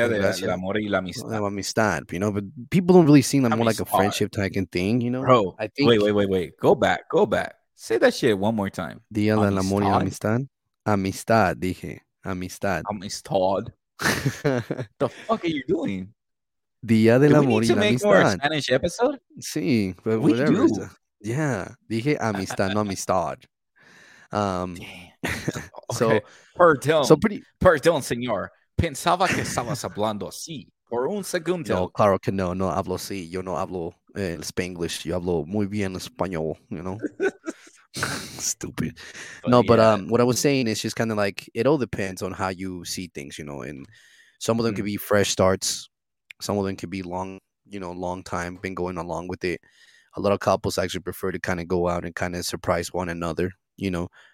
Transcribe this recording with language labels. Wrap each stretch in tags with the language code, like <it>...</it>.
<es>El día de la amor y la amistad.</es> <en>You know, but people don't really seem more like a friendship type of thing, you know? Bro, I think, wait. Go back. Say that shit one more time.</en> <es>Día de la amor y la amistad. Amistad, dije. Amistad.</es> <en>Amistad. The fuck are you doing?</en> <es>Día de la amor y la amistad.</es> <en>Do we need to make more Spanish episode?</en> <es>Sí. But</es> <en>we whatever. Do. So,</en> <es>yeah. Dije amistad, no amistad. Okay. So, perdón, señor. Pensaba que estabas hablando así por un segundo. No, claro que no. No hablo así. Yo no hablo Spanglish. Yo hablo muy bien español,</es> <en>you know? Stupid. But what I was saying is just kind of like it all depends on how you see things, you know? And some of them could be fresh starts. Some of them could be long, you know, long time, been going along with it. A lot of couples actually prefer to kind of go out and kind of surprise one another, you know?</en>